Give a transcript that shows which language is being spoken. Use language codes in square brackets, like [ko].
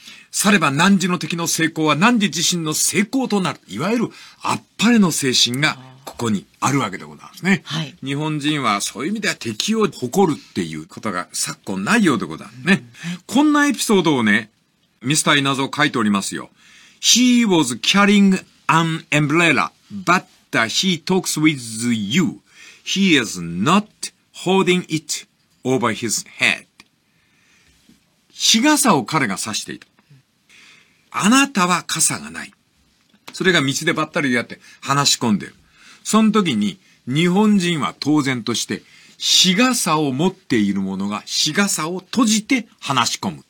[ja] されば何時の敵の成功は何時自身の成功となる。いわゆる、あっぱれの精神がここにあるわけでございますね。はい、日本人はそういう意味では敵を誇るっていうことが昨今ないようでございますね。こんなエピソードをね、ミスター稲造書いておりますよ。 [en] He was carrying an umbrella, but he talks with you. He is not holding it over his head. [ja] 日傘を彼が差していた。あなたは傘がない。それが道でばったり出会って話し込んでる。その時に日本人は当然として日傘を持っている者が日傘を閉じて話し込む。